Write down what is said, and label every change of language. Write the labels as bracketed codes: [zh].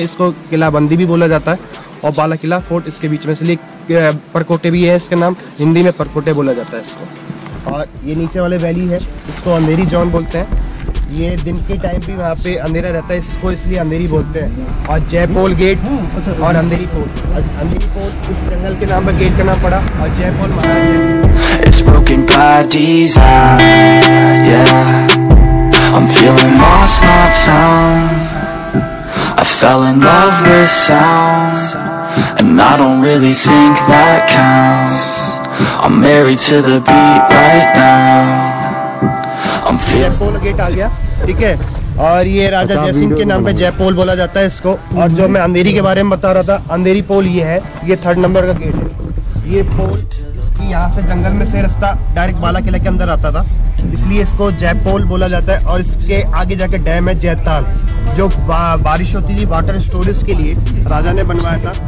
[hi] इसको किलाबंदी भी बोला जाता है, और बाला किला फोर्ट इसके बीच में, इसलिए परकोटे भी है इसका नाम, हिंदी में परकोटे बोला जाता है इसको। और ये नीचे वाले वैली है, इसको अंधेरी जॉन बोलते हैं, ये दिन के टाइम भी वहाँ पे अंधेरा रहता है, इसको इसलिए अंधेरी बोलते हैं। और जयपोल गेट और अंधेरी फोर्ट, अंधेरी फोर्ट इस जंगल के नाम पर गेट का नाम पड़ा, और Jaipol [en] It's broken by design, yeah. I'm feeling lost, not found. I fell in love with sounds, and I don't really think that counts. I'm married to the beat right now. I'm feeling. [hi] और ये राजा जयसिंह के नाम पे जयपोल बोला जाता है इसको। और जो मैं अंधेरी के बारे में बता रहा था, अंधेरी पोल ये है, ये 3rd नंबर का गेट है। ये पोल इसकी यहाँ से जंगल में से रास्ता डायरेक्ट बाला किला के अंदर आता था, इसलिए इसको जयपोल बोला जाता है। और इसके आगे जाके डैम है जयताल, जो बारिश होती थी वाटर स्टोरेज के लिए राजा ने बनवाया था।